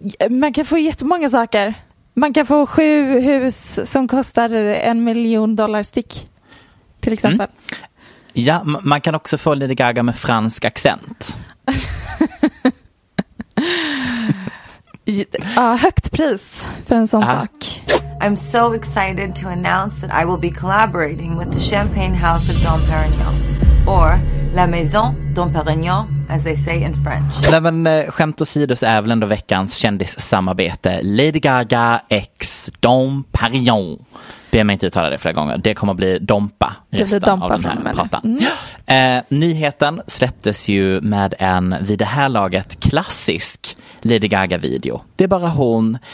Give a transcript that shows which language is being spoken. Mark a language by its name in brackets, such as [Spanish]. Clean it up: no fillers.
[Swedish] Man kan få jättemånga saker. Man kan få 7 hus som kostar 1 miljon dollar styck, till exempel. Ja, man kan också få Lady Gaga med fransk accent. Ja, högt pris för en sån sak. [English] I'm so excited to announce that I will be collaborating with the Champagne House of Dom Perignon. Or La Maison Dom Perignon, as they say in French. [Swedish] Nej, men skämt åsido så är väl ändå veckans kändissamarbete Lady Gaga x Dom Perignon. Be mig inte uttala det flera gånger. Det kommer att bli Dompa resten det dompa av den här pratan. Nyheten släpptes ju med en vid det här laget klassisk Lady Gaga-video. Det är bara hon.